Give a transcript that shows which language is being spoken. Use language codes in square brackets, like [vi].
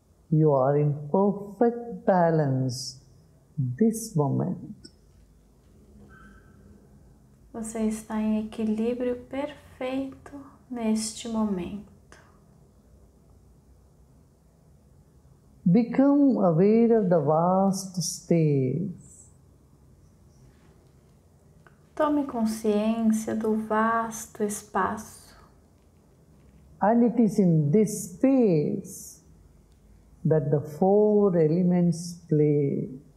[en] You are in perfect balance this moment. [pt] Você está em equilíbrio perfeito neste momento. [en] Become aware of the vast space. [pt] Tome consciência do vasto espaço. [en] And it is in this space that the four elements play.